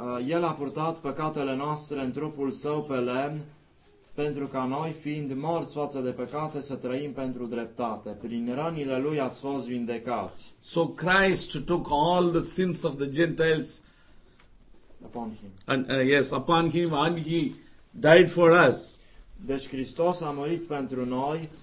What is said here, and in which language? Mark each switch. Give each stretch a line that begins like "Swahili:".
Romanian: El a purtat păcatele noastre în trupul său pe lemn, pentru ca noi, fiind morți față de păcate, să trăim pentru dreptate. Prin rănile lui ați fost vindecați.
English: So Christ took all the sins of the Gentiles upon him. And upon him, and he died for us.
Romanian: Deci Hristos a murit pentru noi.